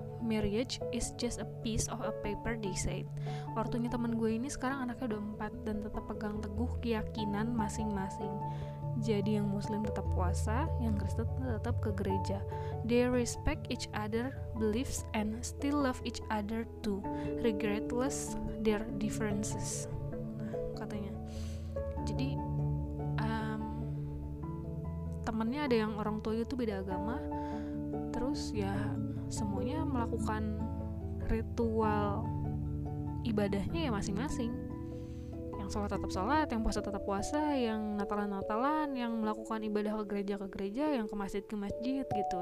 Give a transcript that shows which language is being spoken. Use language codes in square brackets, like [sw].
[en] Marriage is just a piece of a paper, they said. [id] Ortunya temen gue ini sekarang anaknya udah 4 dan tetap pegang teguh keyakinan masing-masing. Jadi yang Muslim tetap puasa, yang Kristen tetap ke gereja. [en] They respect each other beliefs and still love each other too, regardless their differences. [id] Katanya. Jadi temennya ada yang orang tuanya tuh beda agama, terus ya semuanya melakukan ritual ibadahnya ya masing-masing. Yang sholat tetap sholat, yang puasa tetap puasa, yang natalan-natalan, yang melakukan ibadah ke gereja, yang ke masjid gitu.